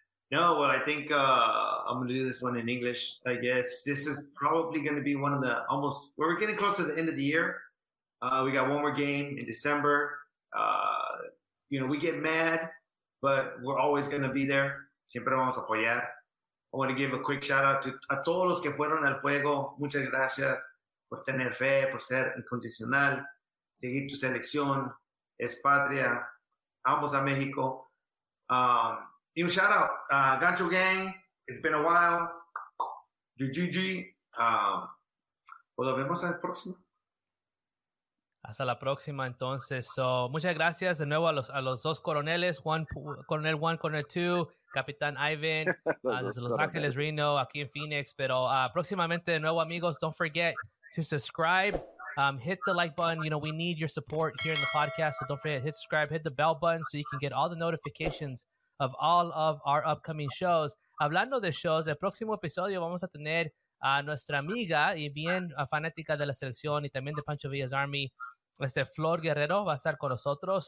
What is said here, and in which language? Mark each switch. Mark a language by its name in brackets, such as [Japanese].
[English] No, well, I think I'm going to do this one in English, I guess. This is probably going to be one of the almost, well, we're getting close to the end of the year. We got one more game in December. You know, we get mad, but we're always going to be there. [Spanish] Siempre vamos a apoyar. [English] I want to give a quick shout out to [Spanish] a todos los que fueron al juego. Muchas gracias por tener fe, por ser incondicional, seguir tu selección, es patria, ambos a México. [English] Y un shout out, Gancho Gang, it's been a while. [Spanish] GGG, nos vemos en el próximo. Hasta la próxima, entonces. So, muchas gracias de nuevo a los dos coroneles, Coronel One, Coronel Two, Capitán Ivan, desde Los Ángeles, Reno, aquí en Phoenix. Pero próximamente de nuevo, amigos, [English] don't forget to subscribe. Hit the like button. You know, we need your support here in the podcast. So don't forget, hit subscribe, hit the bell button so you can get all the notifications of all of our upcoming shows. [Spanish] Hablando de shows, el próximo episodio vamos a tener a nuestra amiga y bien fanática de la selección y también de Pancho Villa's Army, Flor Guerrero, va a estar con nosotros.